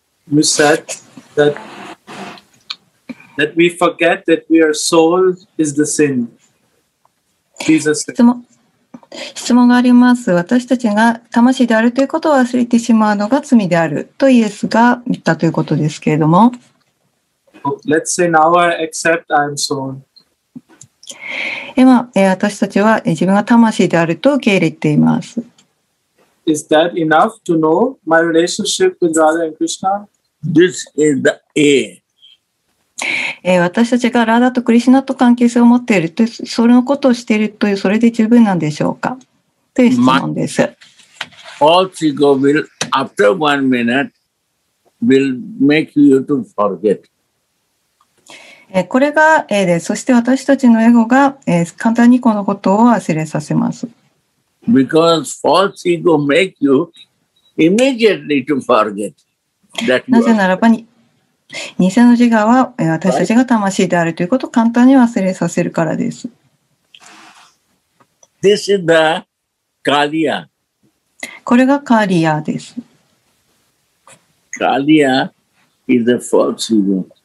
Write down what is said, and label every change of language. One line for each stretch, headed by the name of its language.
English: You said that we forget that we are soul is the sin. Jesus said.
Japanese: 質問があります。私たちが魂であるということを忘れてしまうのが罪であるとイエスが言ったということですけれども。
English: Let's say now I accept I'm soul.
Japanese: 今、私たちは自分が魂であると受け入れています。
English: Is that enough to know my relationship with Radha and Krishna? This is the A.
Japanese: 私たちがラダとクリシナと関係性を持っていると、それのことをしているという、それで十分なんでしょうか? という質問です。
English: False ego will, after 1 minute, will make you to forget.
Japanese: これが A です。そして私たちのエゴが、簡単にこのことを忘れさせます。
English: Because false ego make you immediately to forget that
Japanese: なぜならばに偽の自我は私たちが魂であるということを簡単に忘れさせるからです。
English: This is the Kaliya.
Japanese: これがカーリアです。
English: カーリア is the false ego.